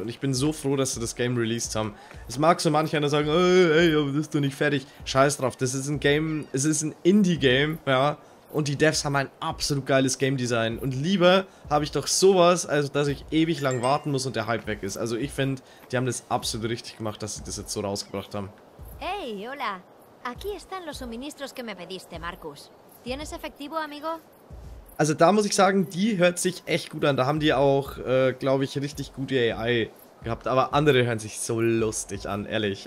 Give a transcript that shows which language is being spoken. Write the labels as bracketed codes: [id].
[de] Und ich bin so froh, dass sie das Game released haben. Es mag so manche einer sagen, ey, aber bist du nicht fertig? Scheiß drauf, das ist ein Game, es ist ein Indie-Game, ja. Und die Devs haben ein absolut geiles Game Design. Und lieber habe ich doch sowas, also dass ich ewig lang warten muss und der Hype weg ist. Also ich finde, die haben das absolut richtig gemacht, dass sie das jetzt so rausgebracht haben. [es] Hey, hola. Aquí están los suministros que me pediste, Marcus. ¿Tienes efectivo, amigo? [de] Also da muss ich sagen, die hört sich echt gut an. Da haben die auch, glaube ich, richtig gute AI gehabt. Aber andere hören sich so lustig an, ehrlich.